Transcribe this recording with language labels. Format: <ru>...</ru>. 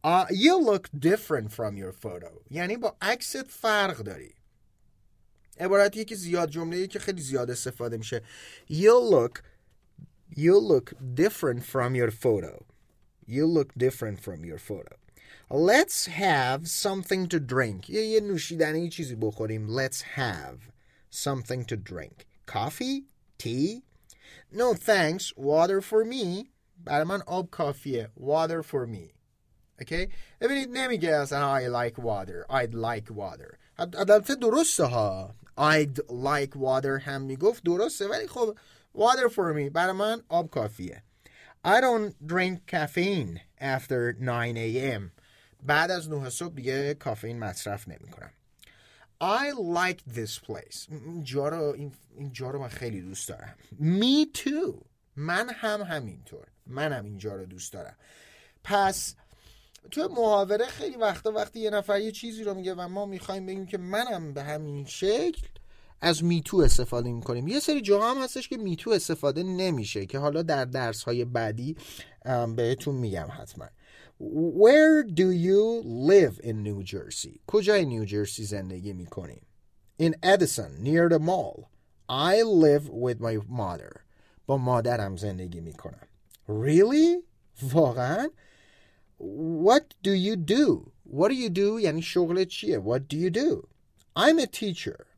<en>You look different from your photo،</en> <fa>یعنی با عکست فرق داری. عبارتی که زیاد، جمله که خیلی زیاد استفاده میشه،</fa> <en>You look different from your photo. You look different from your photo. Let's have something to drink.</en> <fa>یه نوشیدنی چیزی بخوریم.</fa> <en>Let's have something to drink. Coffee? Tea? No, thanks. Water for me.</en> <fa>برای من آب کافیه.</fa> <en>Water for me.</en> <fa>Okay? ببینید نمیگه اصلا</fa> <en>I like water. I'd like water.</en> <fa>البته درسته ها.</fa> <en>I'd like water</en> <fa>هم میگفت درسته، ولی خب</fa> <en>water for me،</en> <fa>برای من آب کافیه.</fa> <en>I don't drink caffeine after 9 a.m.</en> <fa>بعد از 9 صبح دیگه کافئین مصرف نمی کنم.</fa> <en>I like this place.</en> <fa>این جا رو من خیلی دوست دارم.</fa> <en>Me too.</en> <fa>من هم همینطور. من هم این جا رو دوست دارم. پس تو محاوره خیلی وقتا وقتی یه نفر یه چیزی رو میگه و ما میخواییم بگیم که من هم به همین شکل، از میتو استفاده میکنیم. یه سری جاها هم هستش که میتو استفاده نمیشه، که حالا در درس های بعدی بهتون میگم حتما.</fa> <en>Where do you live in New Jersey؟</en> <fa>کجای نیو جرسی زندگی میکنی؟</fa> <en>In Edison, near the mall. I live with my mother.</en> <fa>با مادرم زندگی میکنم.</fa> <en>Really؟</en> <fa>واقعا؟</fa> <en>What do you do؟ What do you do؟</en> <fa>یعنی شغل چیه؟</fa> <en>What do you do؟ I'm a teacher.</en>